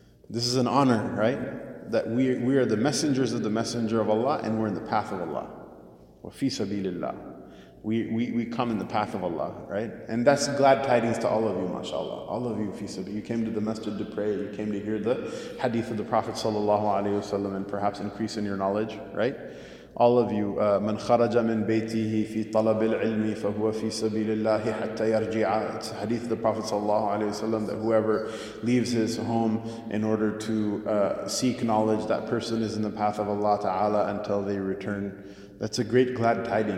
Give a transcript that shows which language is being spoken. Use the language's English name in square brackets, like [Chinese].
[English] This is an honor, right? That we are the messengers of the messenger of Allah and we're in the path of Allah. Wa fi sabilillah. We come in the path of Allah, right? And that's glad tidings to all of you, mashallah. All of you, Fisabi. You came to the masjid to pray. You came to hear the hadith of the Prophet sallallahu alaihi wasallam and perhaps increase in your knowledge, right? All of you, [Arabic] من خرج من بيته في طلب العلم فهو في سبيل الله حتى يرجع. [English] It's a hadith of the Prophet sallallahu alaihi wasallam that whoever leaves his home in order to seek knowledge, that person is in the path of Allah ta'ala until they return. That's a great glad tiding.